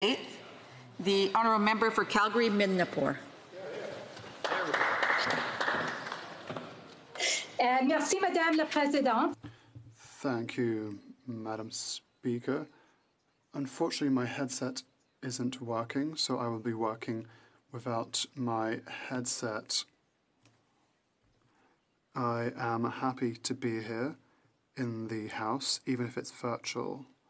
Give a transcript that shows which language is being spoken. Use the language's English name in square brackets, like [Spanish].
[English] 8th, the Honourable Member for Calgary Midnapore. [French] Merci, Madame la Présidente. [English] Thank you, Madam Speaker. Unfortunately, my headset isn't working, so I will be working without my headset. I am happy to be here in the House, even if it's virtual.